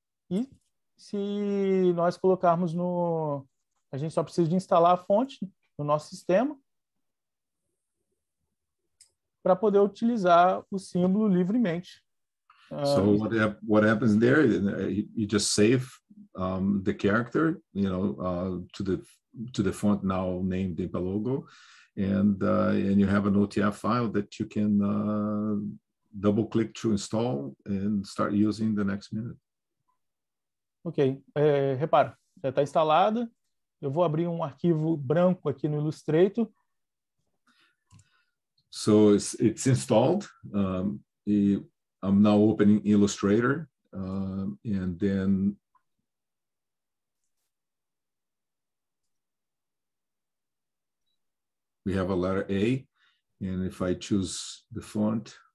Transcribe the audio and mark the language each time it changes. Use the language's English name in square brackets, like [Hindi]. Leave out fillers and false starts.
[Portuguese] E se nós colocarmos no... A gente só precisa de instalar a fonte no nosso sistema para poder utilizar o símbolo livremente. [English] So what happens there? You just save the character, you know, to the font now named Impa logo, and you have an OTF file that you can double click to install and start using the next minute. [Portuguese] Ok, repara, já está instalado. Eu vou abrir um arquivo branco aqui no Illustrator. [English] So it's installed. I'm now opening Illustrator, and then we have a letter A, and if I choose the font,